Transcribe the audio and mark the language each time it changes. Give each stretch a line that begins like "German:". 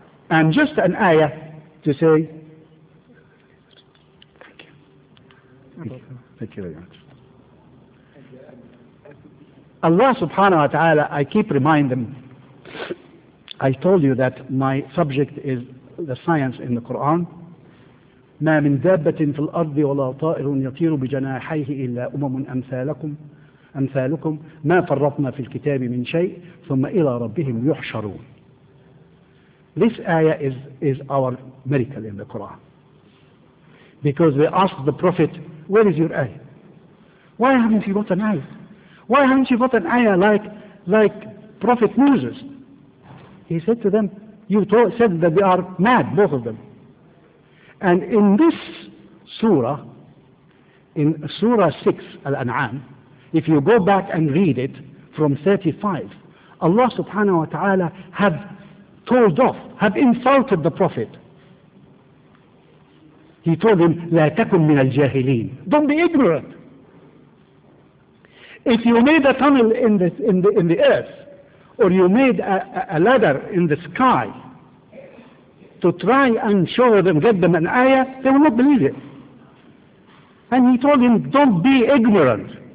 English: And just an ayah to say, thank you very much. Allah subhanahu wa ta'ala, I keep reminding them, I told you that my subject is the science in the Quran.
Arabic: مَا مِن دَابَّةٍ فِي الْأَرْضِ وَلَا طَائِرٌ يَطِيرُ بِجَنَاحَيْهِ إِلَّا أُمَمٌ أَمْثَالَكُمْ أمثالكم ما فرطنا في الكتاب من شيء ثم إلى ربهم يحشرون.
English: This ayah is our miracle in the Quran. Because they asked the Prophet, where is your ayah? Why haven't you got an ayah? Why haven't you got an ayah like Prophet Moses? He said to them, you said that they are mad, both of them. And in this surah, in surah 6, Al-An'am, if you go back and read it from 35, Allah subhanahu wa ta'ala have told off, have insulted the Prophet. He told him,
Arabic: لا تكن من الجاهلين.
English: Don't be ignorant. If you made a tunnel in the earth, or you made a ladder in the sky to try and show them, get them an ayah, they will not believe it. And he told him, don't be ignorant.